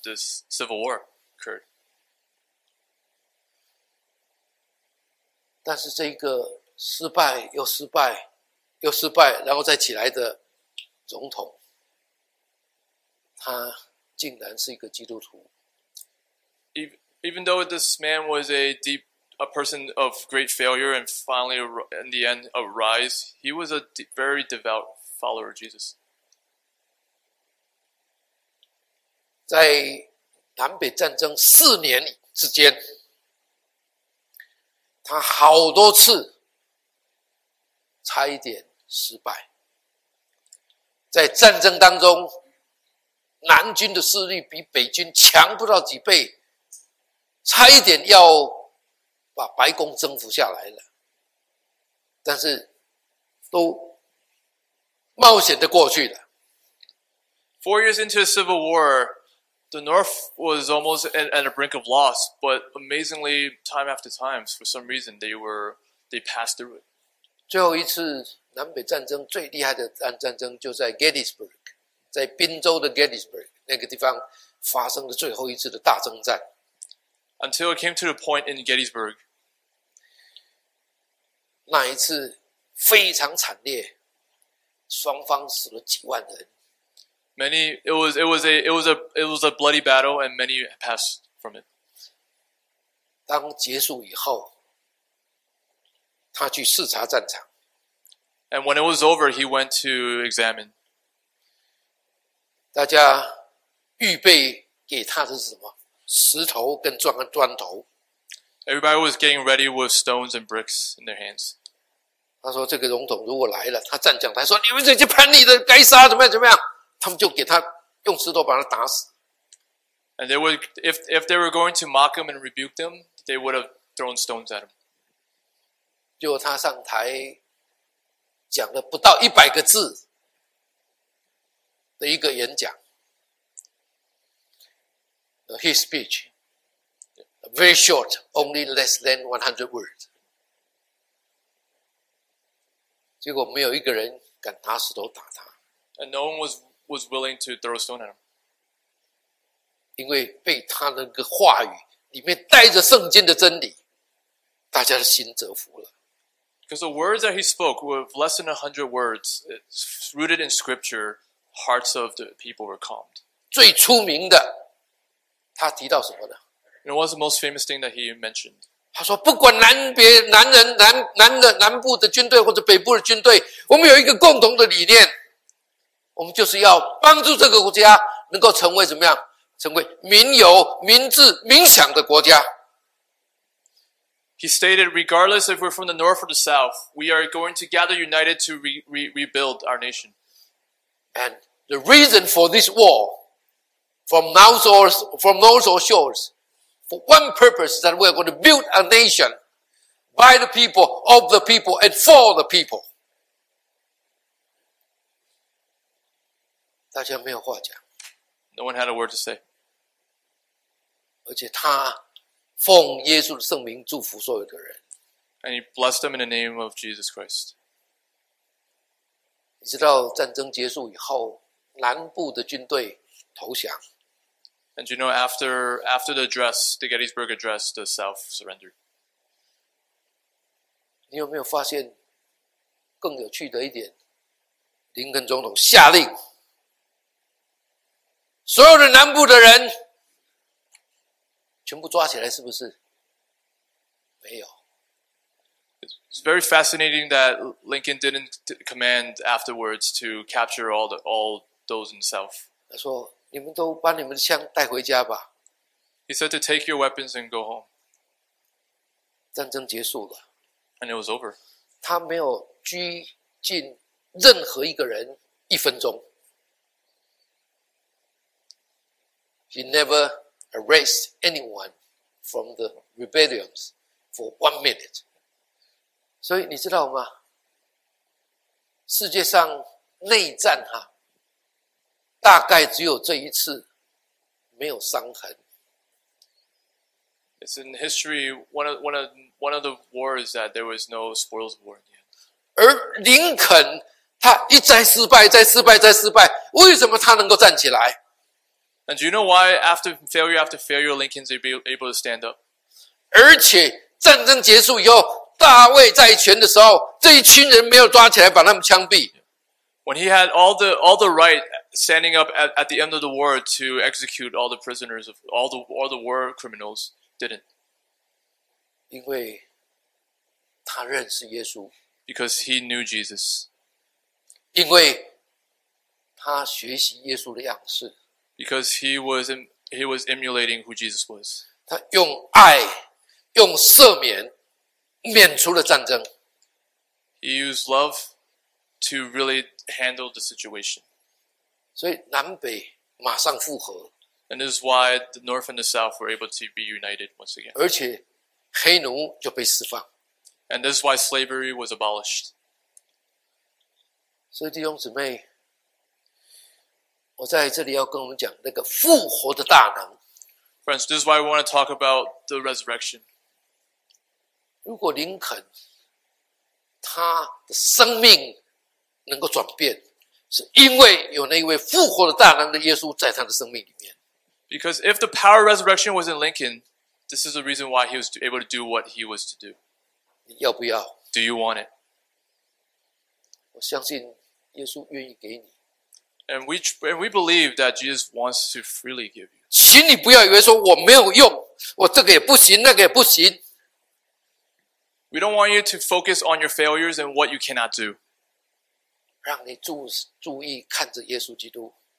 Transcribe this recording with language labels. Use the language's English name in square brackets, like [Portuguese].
[English] This civil war occurred. [Chinese] 但是这一个失败又失败又失败，然后再起来的总统，他竟然是一个基督徒。 [English] Even though this man was a person of great failure and finally in the end arise, he was a very devout follower of Jesus. [Chinese] 在南北战争四年之间，他好多次差一点失败。在战争当中，南军的势力比北军强不到几倍，差一点要把白宫征服下来了，但是都冒险的过去了。 [English] Four years into the Civil War, the North was almost at a brink of loss, but amazingly, time after time, for some reason, they passed through it. [Chinese] 最后一次南北战争最厉害的战争就在 Gettysburg, 在宾州的 Gettysburg 那个地方发生了最后一次的大征战。 [English] Until it came to the point in Gettysburg. [Chinese] 那一次非常惨烈，双方死了几万人。 [English] It was a bloody battle, and many passed from it. [Chinese] 当结束以后，他去视察战场。 [English] And when it was over, he went to examine. [Chinese] 大家预备给他的是什么？石头跟砖头。 [English] Everybody was getting ready with stones and bricks in their hands. [Chinese] 他说：“这个总统如果来了，他站讲台说你们这些叛逆的该杀，怎么样？他们就给他用石头把他打死。 [English] ”And they would if they were going to mock him and rebuke them, they would have thrown stones at him. [Chinese] 结果他上台讲了不到100个字的一个演讲。 [English] His speech, very short, only less than 100 words. [Chinese] 结果没有一个人敢拿石头打他。 [English] And no one was willing to throw a stone at him. [Chinese] 因为被他那个话语里面带着圣经的真理，大家的心折服了。 [English] Because the words that he spoke were less than 100 words, rooted in scripture, hearts of the people were calmed. [Chinese] 最出名的他提到什么呢？ [English] And what's the most famous thing that he mentioned? [Chinese] 他说不管南部的军队或者北部的军队，我们有一个共同的理念，我们就是要帮助这个国家能够成为怎么样，成为民有民治民享的国家。 [English] He stated regardless if we're from the north or the south, we are going to gather united to rebuild our nation. And the reason for this war,From north or shores, for one purpose that we are going to build a nation by the people, of the people, and for the people. [Chinese] 大家没有话讲。 [English] No one had a word to say. [Chinese] 而且他奉耶稣的圣名祝福所有的人。 [English] And he blessed them in the name of Jesus Christ. [Chinese] 你知道战争结束以后，南部的军队投降。 [English] And you know, after the address, the Gettysburg Address, the South surrendered. [Chinese] 你有没有发现更有趣的一点？林肯总统下令，所有的南部的人全部抓起来，是不是？没有。 [English] It's very fascinating that Lincoln didn't command afterwards to capture all those in the South. [Chinese] 他说：“你们都把你们的枪带回家吧。” [English] He said to take your weapons and go home. [Chinese] 战争结束了。 [English] And it was over. [Chinese] 他没有拘禁任何一个人一分钟。 [English] He never arrested anyone from the rebellions for 1 minute. [Chinese] 所以你知道吗？世界上内战哈，大概只有这一次没有伤痕。 [English] It's in history one of the wars that there was no spoils of war. [Chinese] 而林肯他一再失败，再失败，再失败。为什么他能够站起来 [English] ？And do you know why after failure, Lincoln's able to stand up? [Chinese] 而且战争结束以后，大卫在权的时候，这一群人没有抓起来把他们枪毙。 [English] When he had all the right standing up at the end of the war to execute all the prisoners of all the war criminals, didn't? [Chinese] 因为他认识耶稣。 [English] Because he knew Jesus. [Chinese] 因为他学习耶稣的样式。 [English] Because he was emulating who Jesus was. [Chinese] 他用爱，用赦免，免除了战争。 [English] He used love to really handle the situation. [Chinese] 所以南北马上复合。 [English] And this is why the North and the South were able to be united once again. [Chinese] 而且黑奴就被释放。 [English] And this is why slavery was abolished. [Chinese] 所以弟兄姊妹，我在这里要跟我们讲那个复活的大能。 [English] Friends, this is why we want to talk about the resurrection. [Chinese] 如果林肯他的生命能够转变，是因为有那一位复活的大能的耶稣在他的生命里面。 [English] Because if the power of resurrection was in Lincoln, this is the reason why he was able to do what he was to do. [Chinese] 要不要 [English] ？Do you want it？ [Chinese] 我相信耶稣愿意给你。 [English] And we believe that Jesus wants to freely give you. [Chinese] 请你不要以为说我没有用，我这个也不行，那个也不行。 [English] We don't want you to focus on your failures and what you cannot do. [Chinese] 让你注意看着耶稣基督。